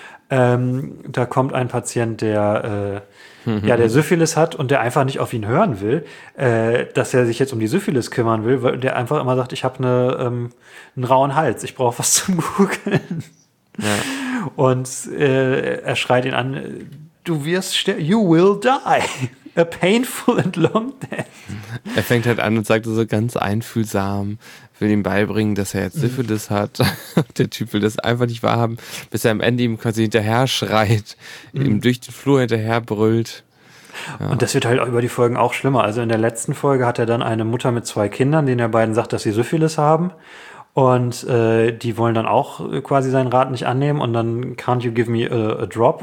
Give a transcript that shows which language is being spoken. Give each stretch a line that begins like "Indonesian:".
German: Da kommt ein Patient, der der Syphilis hat und der einfach nicht auf ihn hören will, dass er sich jetzt um die Syphilis kümmern will, weil der einfach immer sagt, ich habe einen rauen Hals, ich brauche was zum Gurgeln. Ja. Und er schreit ihn an, du wirst sterben,
English: you will die. a painful and long death.
German: Er fängt halt an und sagt so ganz einfühlsam, will ihm beibringen, dass er jetzt Syphilis hat. Der Typ will das einfach nicht wahrhaben, bis er am Ende ihm quasi hinterher schreit, ihm durch den Flur hinterher brüllt. Ja. Und das wird halt über die Folgen auch schlimmer. Also in der letzten Folge hat er dann eine Mutter mit zwei Kindern, denen er beiden sagt, dass sie Syphilis haben. Und die wollen dann auch quasi seinen Rat nicht annehmen. Und dann,
English: can't you give me a drop?